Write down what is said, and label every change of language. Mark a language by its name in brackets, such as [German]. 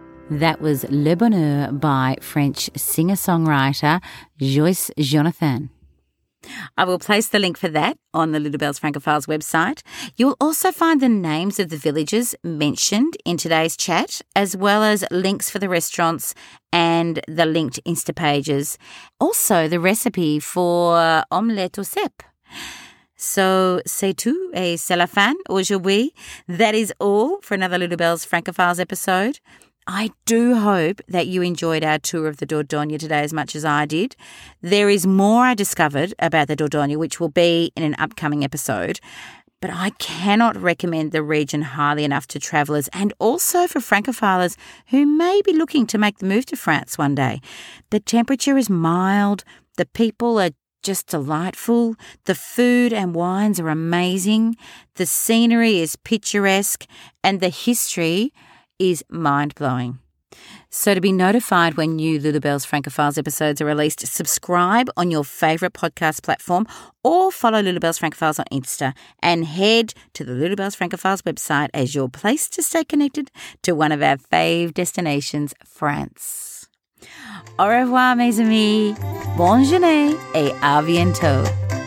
[English] That was Le Bonheur by French singer-songwriter Joyce Jonathan. I will place the link for that on the Little Bells Francophiles website. You will also find the names of the villages mentioned in today's chat, as well as links for the restaurants and the linked Insta pages. Also, the recipe for omelette au cèpe. [French] So, c'est tout et c'est la fin aujourd'hui. [English] That is all for another Little Bells Francophiles episode. I do hope that you enjoyed our tour of the Dordogne today as much as I did. There is more I discovered about the Dordogne, which will be in an upcoming episode. But I cannot recommend the region highly enough to travellers and also for Francophiles who may be looking to make the move to France one day. The temperature is mild, the people are just delightful, the food and wines are amazing, the scenery is picturesque, and the history is mind-blowing. So to be notified when new Little Bells Francophiles episodes are released, subscribe on your favourite podcast platform or follow Little Bells Francophiles on Insta and head to the Little Bells Francophiles website as your place to stay connected to one of our fave destinations, France. [French] Au revoir, mes amis. Bonne journée et à bientôt.